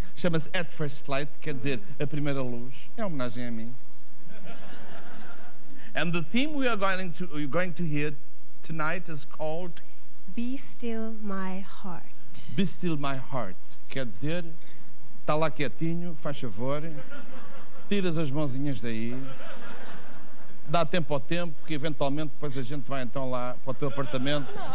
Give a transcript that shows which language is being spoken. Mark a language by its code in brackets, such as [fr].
[pt] Chama-se At First Light, quer dizer, A Primeira Luz. É uma homenagem a mim. [en] And the theme we are going to hear tonight is called... Be Still My Heart. Be Still My Heart. [pt] Quer dizer, está lá quietinho, faz favor, tiras as mãozinhas daí, dá tempo ao tempo, que eventualmente depois a gente vai então lá para o teu apartamento.